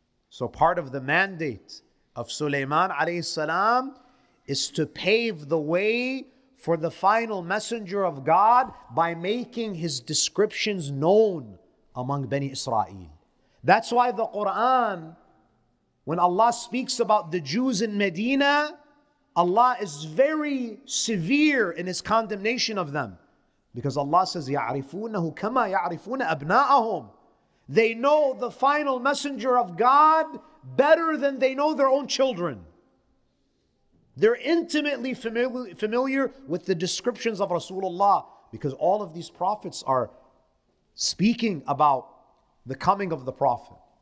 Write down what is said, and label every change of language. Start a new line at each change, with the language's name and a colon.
English: So part of the mandate of Sulaiman alayhi salam is to pave the way for the final messenger of God by making his descriptions known among Bani Israel. That's why the Quran, when Allah speaks about the Jews in Medina, Allah is very severe in his condemnation of them. Because Allah says,
Arabic: يَعْرِفُونَهُ كَمَا يَعْرِفُونَ أَبْنَاءَهُمْ.
English: They know the final messenger of God better than they know their own children. They're intimately familiar with the descriptions of Rasulullah, because all of these prophets are speaking about the coming of the Prophet.